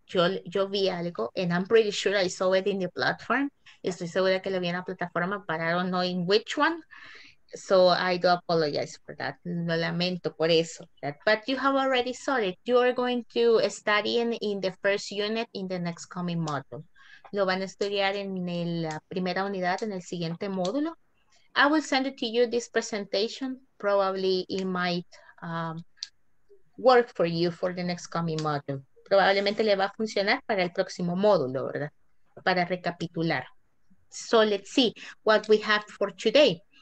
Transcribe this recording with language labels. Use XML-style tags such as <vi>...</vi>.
<es>Yo vi algo,</es> <en>and I'm pretty sure I saw it in the platform.</en> <es>Estoy segura que lo vi en la plataforma,</es> <en>but I don't know in which one. So I do apologize for that.</en> <es>No lamento por eso.</es> <en>But you have already saw it. You are going to study in the first unit in the next coming module.</en> <es>Lo van a estudiar en la primera unidad, en el siguiente módulo.</es> <en>I will send it to you this presentation. Probably it might work for you for the next coming module.</en> <es>Probablemente le va a funcionar para el próximo módulo, ¿verdad? Para recapitular.</es> <en>So let's see what we have for today.</en>